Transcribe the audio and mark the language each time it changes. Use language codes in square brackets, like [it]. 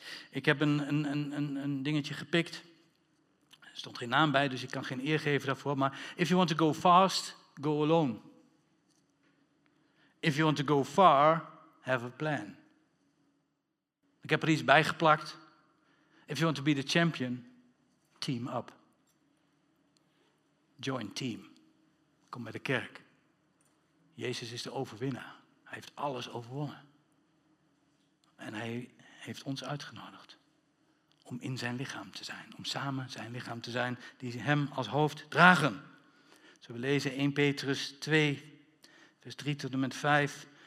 [nl] Ik heb een dingetje gepikt. Er stond geen naam bij, dus ik kan geen eer geven daarvoor. [en] Maar if you want to go fast, go alone. If you want to go far, have a plan. [nl] Ik heb er iets bij geplakt. [en] If you want to be the champion, team up. Join team. [nl] Kom bij de kerk. Jezus is de overwinnaar. Hij heeft alles overwonnen. En hij heeft ons uitgenodigd om in zijn lichaam te zijn. Om samen zijn lichaam te zijn die hem als hoofd dragen. Zullen we lezen 1 Petrus 2, vers 3 tot en met 5.